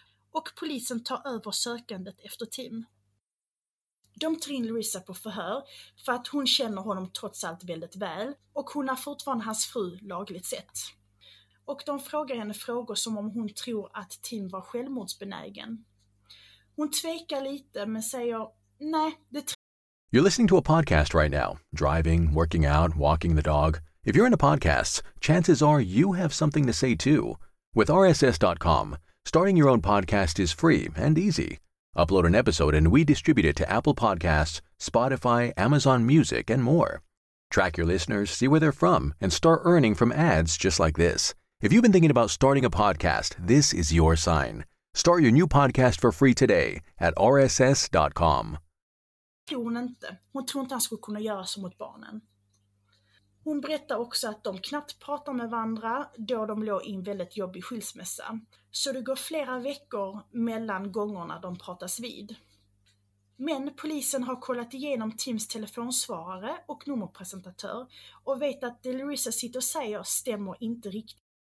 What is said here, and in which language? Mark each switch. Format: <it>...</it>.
<sv>Och polisen tar över sökandet efter Tim. De tar in Larissa på förhör för att hon känner honom trots allt väldigt väl och hon är fortfarande hans fru lagligt sett. Och de frågar henne frågor som om hon tror att Tim var självmordsbenägen. Hon tvekar lite men säger nej.</sv> <en>You're listening to a podcast right now. Driving, working out, walking the dog. If you're into podcasts, chances are you have something to say too. With RSS.com, starting your own podcast is free and easy. Upload an episode and we distribute it to Apple Podcasts, Spotify, Amazon Music, and more. Track your listeners, see where they're from, and start earning from ads just like this. If you've been thinking about starting a podcast, this is your sign. Start your new podcast for free today at rss.com.</en> <sv>Hon tror inte han skulle kunna göra så mot barnen. Hon berättar också att de knappt pratar med varandra då de låg i en väldigt jobbig skilsmässa. Så det går flera veckor mellan gångerna de pratas vid. Men polisen har kollat igenom Tims telefonsvarare och nummerpresentatör och vet att det Larissa sitter och säger stämmer inte riktigt.</sv>